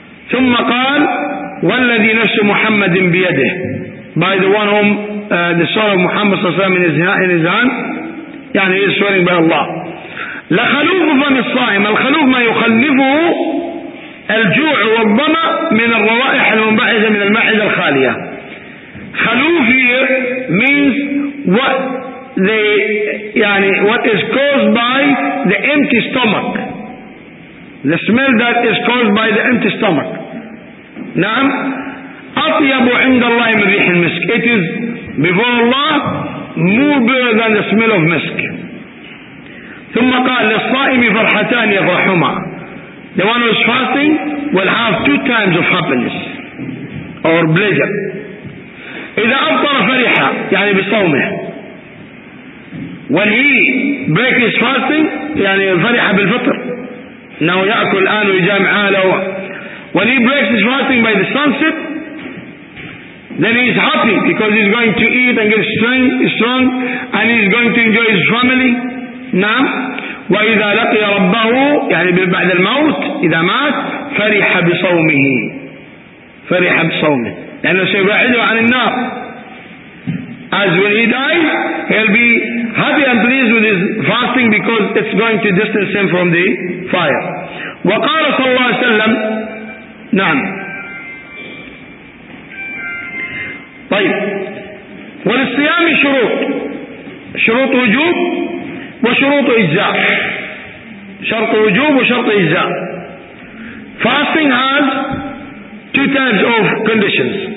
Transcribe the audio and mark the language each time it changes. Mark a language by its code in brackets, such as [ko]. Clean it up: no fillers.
[ar] ثم قال والذي نفس محمد بيده, [en] by the one whom the son of Muhammad [ar] صلى الله عليه وسلم [en] in his hand, [ar] يعني [en] he is swearing by Allah. [ar] لخلوف فم الصائم, الخلوف ما يخلفه الجوع والظمأ من الروائح المنبعثة من المعدة الخالية. [en] خلوف here means what they [ar] يعني [en] what is caused by the empty stomach, the smell that is caused by the empty stomach. [ar] نعم. أطيب عند الله من ريح المسك, [en] it is before Allah more better than the smell of musk. [ar] ثم قال للصائم فرحتان يفرحهما, [en] the one who is fasting will have two times of happiness or pleasure. [ar] إذا أفطر فرحا, يعني بصومه, [en] when he breaks his fasting, [ar] يعني فرح بالفطر, إنه يأكل الآن ويجامع أهله. [en] When he breaks his fasting by the sunset, then he is happy because he is going to eat and get strong and he is going to enjoy his family. [ar] نعم. وإذا لقي ربه, يعني بعد الموت إذا مات, فرح بصومه, فرح بصومه, لأنه سيبعده عن النار. [en] As when he dies, he'll be happy and pleased with his fasting because it's going to distance him from the fire. [ar] وقال صلى الله عليه وسلم, نعم. طيب, وللصيام شروط, شروط وجوب وشروط إجزاء, شرط وجوب وشرط إجزاء. [en] Fasting has two types of conditions.